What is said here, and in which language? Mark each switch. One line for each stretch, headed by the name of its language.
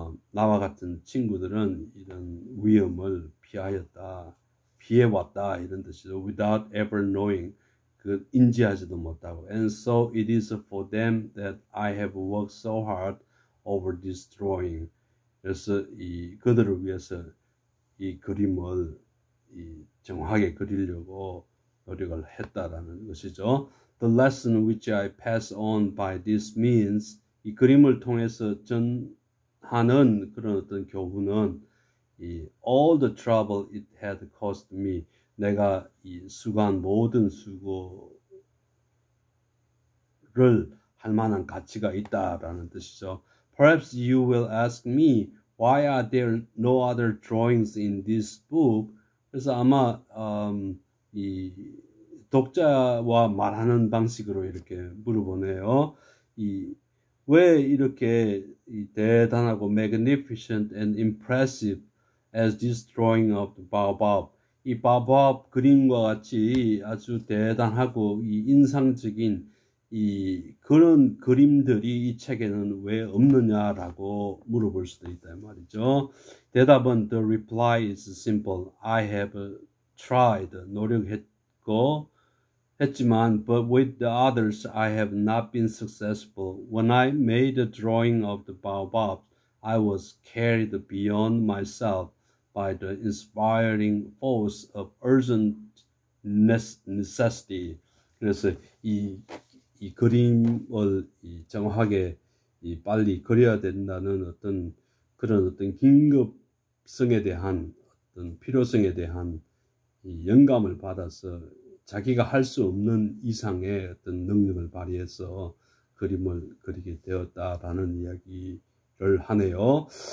Korean: 나와 같은 친구들은 이런 위험을 피하였다, 피해왔다 이런 뜻이죠.
English: Without ever knowing,
Korean: 그 인지하지도 못하고.
English: And so it is for them that I have worked so hard over this drawing.
Korean: 그래서 이 그들을 위해서 이 그림을 정확하게 그리려고 노력을 했다라는 것이죠.
English: The lesson which I pass on by this means,
Korean: 이 그림을 통해서 전하는 그런 어떤 교훈은
English: all the trouble it had cost me,
Korean: 내가 이 수고한 모든 수고를 할 만한 가치가 있다라는 뜻이죠.
English: Perhaps you will ask me why are there no other drawings in this book?
Korean: 그래서 아마 이 독자와 말하는 방식으로 이렇게 물어보네요. 왜 이렇게 대단하고
English: magnificent and impressive as this drawing of the baobab?
Korean: 이 baobab 그림과 같이 아주 대단하고 인상적인 그런 그림들이 이 책에는 왜 없느냐라고 물어볼 수도 있단 말이죠. 대답은
English: The reply is simple. I have tried,
Korean: 노력했고, 했지만,
English: but with the others, I have not been successful. When I made a drawing of the baobab, I was carried beyond myself by the inspiring force of urgent necessity.
Korean: 그래서 이 그림을 정확하게 빨리 그려야 된다는 어떤 긴급성에 대한 어떤 필요성에 대한 영감을 받아서 자기가 할수 없는 이상의 어떤 능력을 발휘해서 그림을 그리게 되었다라는 이야기를 하네요.